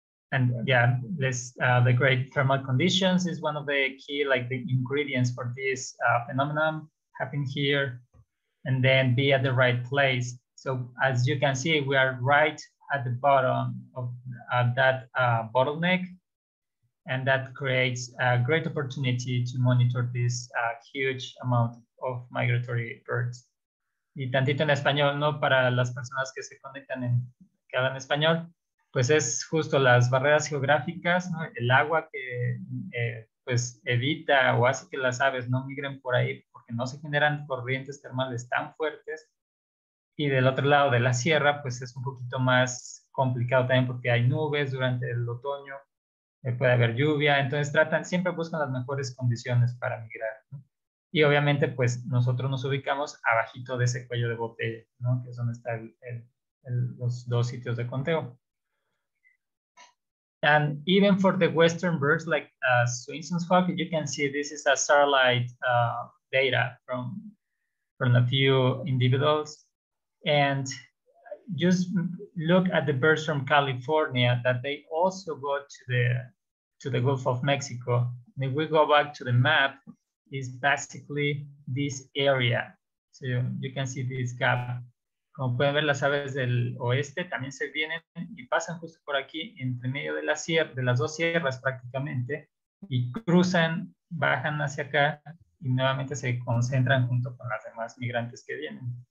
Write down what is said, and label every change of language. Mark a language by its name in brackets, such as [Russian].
[English] And yeah, this the great thermal conditions is one of the key, like, the ingredients for this phenomenon happening here, and then be at the right place. So as you can see, we are right at the bottom of that bottleneck. And that creates a great opportunity to monitor this huge amount of migratory birds. [Spanish] Y tantito en español, ¿no? Para las personas que se conectan en que hablan español, pues es justo las barreras geográficas, ¿no? El agua que pues evita o hace que las aves no migren por ahí porque no se generan corrientes termales tan fuertes. Y del otro lado de la sierra, pues es un poquito más complicado también porque hay nubes durante el otoño. Puede haber lluvia, entonces tratan, siempre buscan las mejores condiciones para migrar, ¿no? Y obviamente, pues, nosotros nos ubicamos abajito de ese cuello de botella, ¿no? Que es donde está los dos sitios de conteo. [English] And even for the Western birds, like Swainson's hawk, you can see this is a satellite data from a few individuals. And just look at the birds from California that they also go to the Gulf of Mexico. And if we go back to the map, it's basically this area. So you can see this gap. [Spanish] Como pueden ver, las aves del oeste también se vienen y pasan justo por aquí, entre medio de, la sierra, de las dos sierras prácticamente, y cruzan, bajan hacia acá y nuevamente se concentran junto con las demás migrantes que vienen.